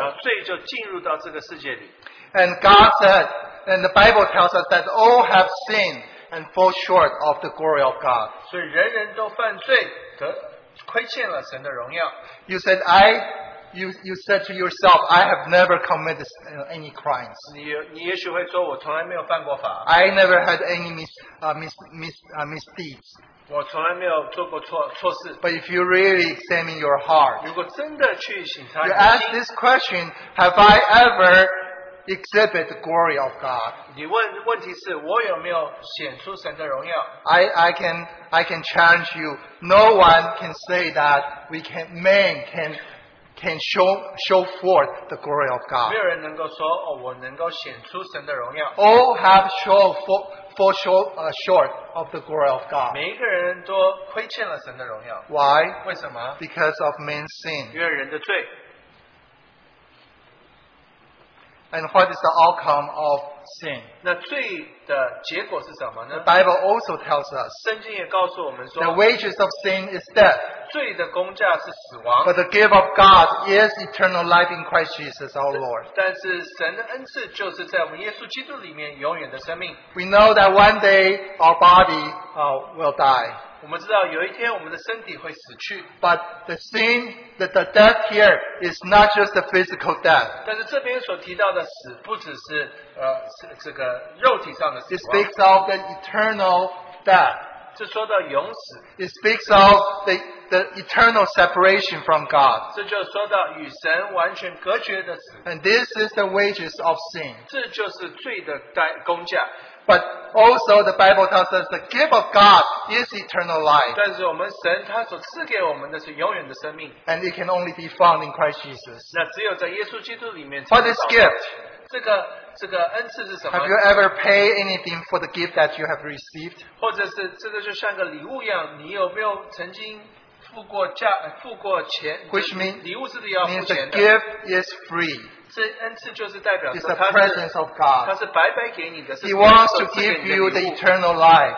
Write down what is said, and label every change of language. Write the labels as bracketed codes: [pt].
[zh] 然后罪就进入到这个世界里, [en] and God said, and the Bible tells us that all have sinned and fall short of the glory of God. [zh] 所以人人都犯罪,亏欠了神的荣耀。 [en] You said to yourself, I have never committed any crimes. [zh] 你也许会说我从来没有犯过法。 [en] I never had any misdeeds. [zh] 我从来没有做过错事。 [en] But if you really examine your heart, [zh] 如果真的去醒察, [en] you ask this question, have I ever exhibit the glory of God? [zh] 你问题是我有没有显出神的荣耀? [en] I can challenge you. No one can say that man can show forth the glory of God. [zh] 没有人能够说, [en] all have fall short of the glory of God. [zh] 每一个人都亏欠了神的荣耀. [en] Why? [zh] 为什么? [en] Because of man's sin. [zh] 因为人的罪。 [en] And what is the outcome of sin? [zh] 那罪的结果是什么呢? [en] The Bible also tells us, [zh] 圣经也告诉我们说, [en] the wages of sin is death. [zh] 罪的工价是死亡, [en] but the gift of God is eternal life in Christ Jesus our Lord. [zh] 但是神的恩赐就是在我们耶稣基督里面永远的生命。 [en] We know that one day our body will die. [zh] 我们知道有一天我们的身体会死去, [en] but the sin, the death here is not just the physical death. [zh] 但是这边所提到的死不只是, 这个肉体上的死亡, [en] it speaks of the eternal death. [zh] 这说到永死, [en] it speaks of the the eternal separation from God. [zh] 这就说到与神完全隔绝的死, [en] and this is the wages of sin. [zh] 这就是罪的代工价, [en] but also the Bible tells us the gift of God is eternal life. [zh] 但是我们神他所赐给我们的是永远的生命, [en] and it can only be found in Christ Jesus. [zh] 那只有在耶稣基督里面才能找到。 [en] For this gift, [zh] 这个恩赐是什么? [en] Have you ever paid anything for the gift that you have received? [zh] 或者是这个就像个礼物一样, 你有没有曾经付过钱, [en] which means the gift is free. [zh] 这恩赐就是代表说它是, [en] it's the presence of God. [zh] 它是白白给你的, [en] he wants to give you the eternal life.